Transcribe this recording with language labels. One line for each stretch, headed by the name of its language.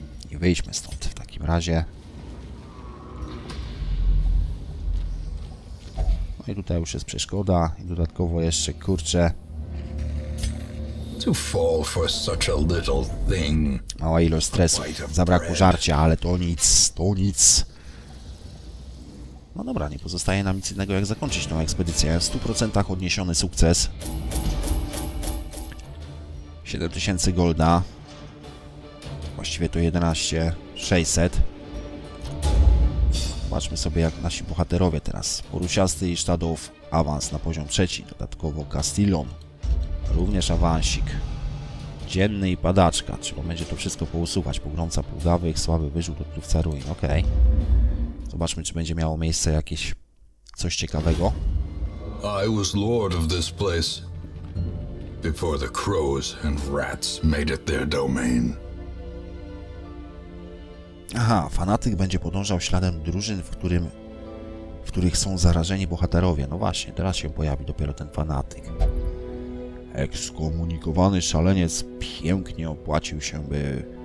Polish: I wyjdźmy stąd w takim razie. No i tutaj już jest przeszkoda i dodatkowo jeszcze kurczę.
English: To fall for such a little thing.
Polish: Mała ilość stresu. Zabrakło żarcia, ale to nic, to nic. No dobra, nie pozostaje nam nic innego, jak zakończyć tą ekspedycję. W 100% odniesiony sukces. 7000 golda. Właściwie to 11600. Zobaczmy sobie, jak nasi bohaterowie teraz. Porusiasty i Sztadów, awans na poziom trzeci. Dodatkowo Castillon. Również awansik. Dzienny i padaczka. Trzeba będzie to wszystko pousuwać. Pogrąca półdawych, słaby wyrzut do trówca ruin. Okej. Zobaczmy, czy będzie miało miejsce jakieś coś ciekawego.
English: I was lord of this place before the crows and rats made it their domain.
Polish: Aha, fanatyk będzie podążał śladem drużyn, w których są zarażeni bohaterowie. No właśnie, teraz się pojawi dopiero ten fanatyk. Ekskomunikowany szaleniec pięknie opłacił się, by...